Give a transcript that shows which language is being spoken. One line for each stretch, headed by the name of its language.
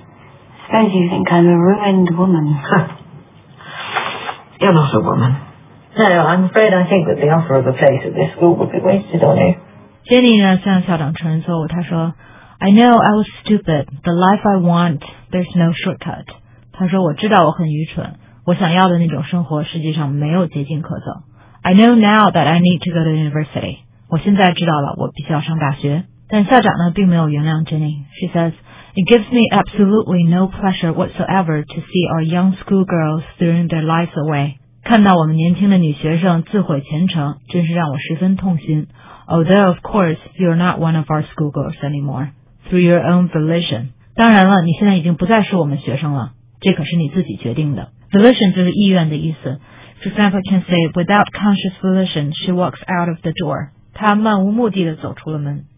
English: I suppose you think I'm a ruined woman. You're not a woman. No, I'm afraid I think that the offer of a place at this school would be wasted on you. Jenny
Chinese: 呢向校长承认错误，她说
English: I know I was stupid, the life I want, there's no shortcut.
Chinese: 她说我知道我很愚蠢，我想要的那种生活实际上没有捷径可走。
English: I know now that I need to go to university.
Chinese: 我现在知道了我必须要上大学。但校长呢并没有原谅 Jenny.
English: She says, It gives me absolutely no pleasure whatsoever to see our young schoolgirls throwing their lives away.
Chinese: 看到我们年轻的女学生自毁前程，真是让我十分痛心。
English: Although, of course, you're not one of our schoolgirls anymore. Through your own volition.
Chinese: 当然了，你现在已经不再是我们学生了。这可是你自己决定的。Volition 就是意愿的意思。
English: For example, can say, without conscious volition, she walks out of the door.
Chinese: 她漫无目的地走出了门。